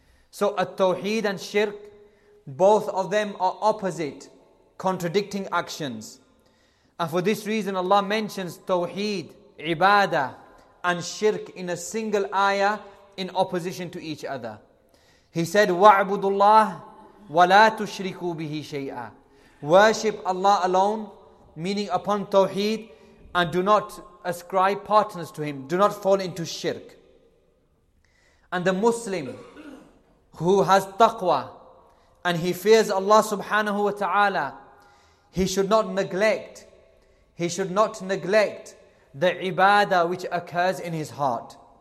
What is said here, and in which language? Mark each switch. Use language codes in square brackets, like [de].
[en] So at-tawheed and shirk, both of them are opposite, contradicting actions. And for this reason, Allah mentions tawheed, ibadah, and shirk in a single ayah in opposition to each other. He said, [ar] وَعْبُدُ اللَّهِ وَلَا تُشْرِكُوا بِهِ شَيْئًا. [en] Worship Allah alone, meaning upon tawheed, and do not ascribe partners to Him. Do not fall into shirk. And the Muslim who has taqwa and he fears Allah subhanahu wa ta'ala, he should not neglect the ibadah which occurs in his heart.